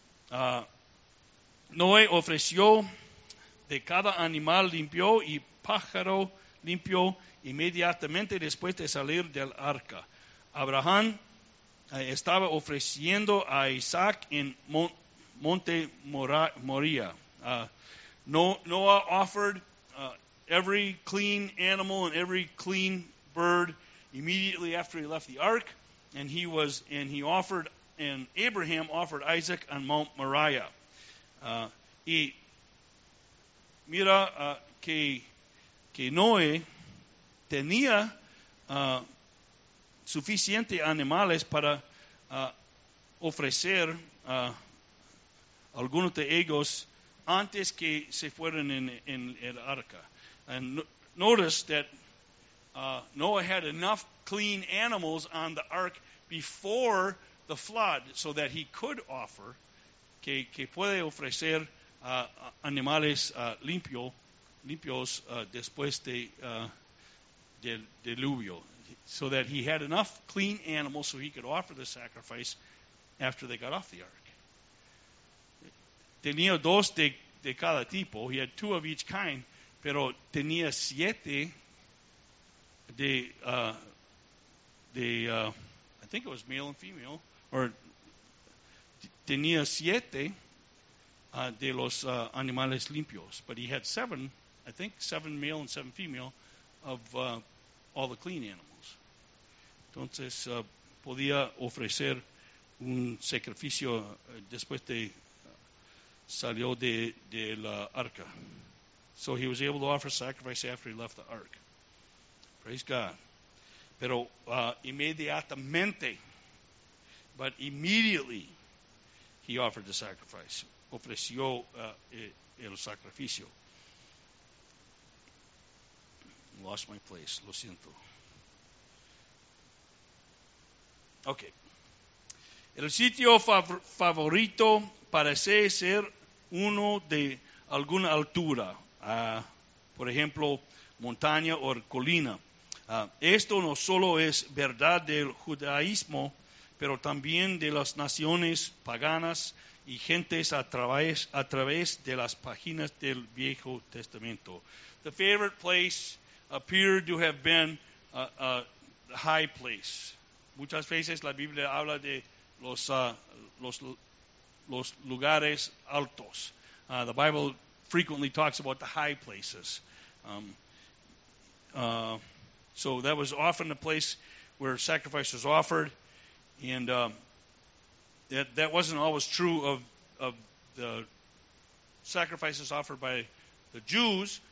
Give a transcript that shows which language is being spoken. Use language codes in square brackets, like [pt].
[es] Noé ofreció de cada animal limpio y pájaro limpio inmediatamente después de salir del arca. Abraham estaba ofreciendo a Isaac en Monte Moría. [en] Noah offered every clean animal and every clean bird immediately after he left the ark, and Abraham offered Isaac on Mount Moriah. [es] Y mira que Noé tenía suficiente animales para ofrecer algunos de ellos antes que se fueran en el arca. [en] And notice that Noah had enough clean animals on the ark before the flood so that he could offer, [es] que puede ofrecer animales limpios después de del diluvio, [en] so that he had enough clean animals so he could offer the sacrifice after they got off the ark. [es] Tenía dos de cada tipo. [en] He had two of each kind, [es] pero tenía siete [en] I think it was male and female, or [es] tenía siete de los animales limpios, [en] but he had seven, I think seven male and seven female, of all the clean animals. [es] Entonces, podía ofrecer un sacrificio después de salió de la arca. [en] So he was able to offer sacrifice after he left the ark. Praise God. [es] Pero inmediatamente, [en] but immediately, he offered the sacrifice. [es] Ofreció el sacrificio. [en] Lost my place. [es] Lo siento. [en] Okay. [es] El sitio favorito parece ser uno de alguna altura. Por ejemplo, montaña o colina. Esto no solo es verdad del judaísmo, pero también de las naciones paganas y gentes a través de las páginas del Viejo Testamento. [en] The favorite place appeared to have been a high place. [es] Muchas veces la Biblia habla de los lugares altos. [en] The Bible frequently talks about the high places. So that was often the place where sacrifice was offered, and that wasn't always true of the sacrifices offered by the Jews.